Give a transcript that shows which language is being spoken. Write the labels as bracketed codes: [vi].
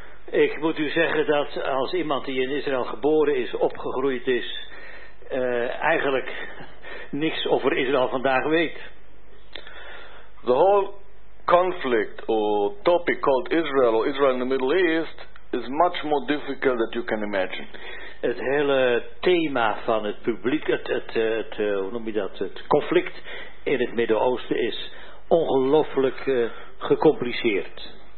[nl] Ik moet u zeggen dat als iemand die in Israël geboren is, opgegroeid is, eigenlijk niks over Israël vandaag weet. [en] The whole conflict or topic called Israel or Israel in the Middle East is much more difficult than you can imagine. [nl] Het hele thema van het publiek, hoe noem je dat, het conflict in het Midden-Oosten is ongelooflijk gecompliceerd.